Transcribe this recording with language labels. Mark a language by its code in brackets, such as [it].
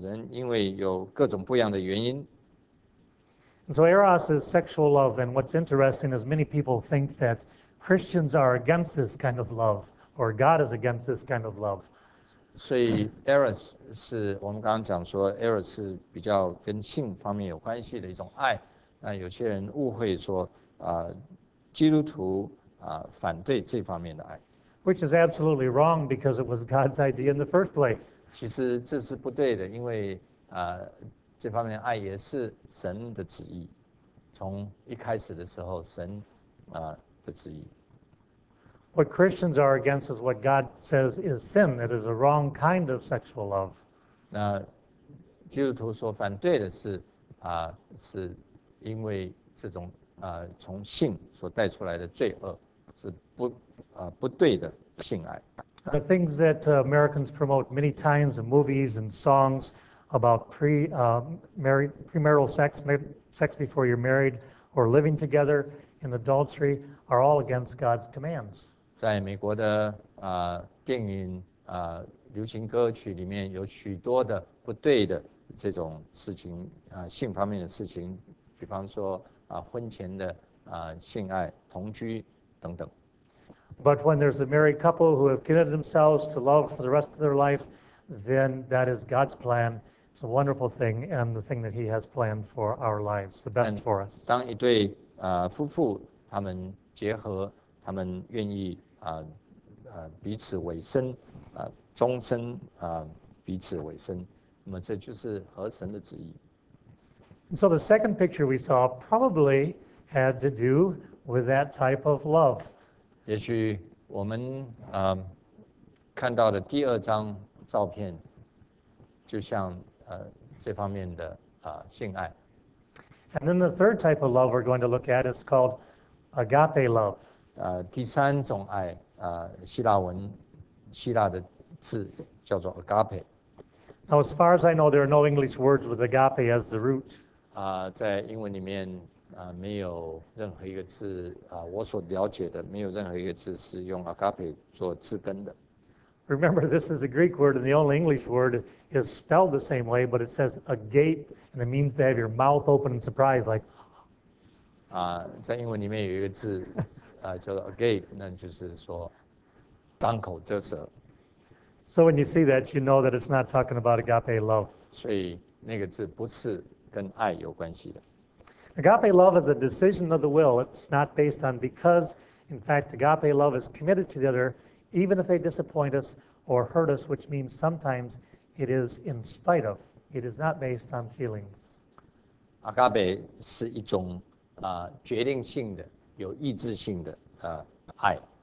[zh] 你可以说我爱某人因为有各种不一样的原因。 [en] And so eros is sexual love, and what's interesting is many people think that Christians are against this kind of love, or God is against this kind of love. [zh] 所以 eros 是我们刚刚讲说 eros 是比较跟性方面有关系的一种爱，那有些人误会说 基督徒 反对这方面的爱。 [en] Which is absolutely wrong because it was God's idea in the first place. [zh] 其实这是不对的，因为 这方面爱也是神的旨意，从一开始的时候神 的旨意。 [en] What Christians are against is what God says is sin. It is a wrong kind of sexual love. [zh] 那基督徒所反对的是 是因为这种 从性所带出来的罪恶是不 不对的性爱。 [en] The things that Americans promote many times in movies and songs about premarital sex, sex before you're married, or living together in adultery, are all against God's commands. [zh] 在美国的 电影 流行歌曲里面有许多的不对的这种事情 性方面的事情 比方说 婚前的 性爱 同居等等。 [en] But when there's a married couple who have committed themselves to love for the rest of their life, then that is God's plan. It's a wonderful thing, and the thing that He has planned for our lives, the best for us. [zh] 当一对 夫妇他们结合，他们愿意 彼此委身 终身 彼此委身， 那么这就是合神的旨意。 [en] And so the second picture we saw probably had to do with that type of love. [zh] 也许我们 看到的第二张照片 就像 这方面的 性爱。 [en] And then the third type of love we're going to look at is called agape love. [zh] 第三种爱 希腊文希腊的字叫做 agape. [en] Now, as far as I know, there are no English words with agape as the root. [zh] 在英文里面 没有任何一个字 我所了解的没有任何一个字是用 agape 做字根的。 [en] Remember, this is a Greek word, and the only English word is spelled the same way, but it says agape, and it means to have your mouth open in surprise, like [zh] 在英文里面有一个字 叫做 agape, 那就是说 当口遮舌。 [en] So when you see that, you know that it's not talking about agape love. [zh] 所以那个字不是跟爱有关系的。 [en] Agape love is a decision of the will. It's not based on because. In fact, agape love is committed to the other, even if they disappoint us or hurt us, which means sometimes it is in spite of. It is not based on feelings. [zh] Agape 是一种 决定性的、有意志性的 爱。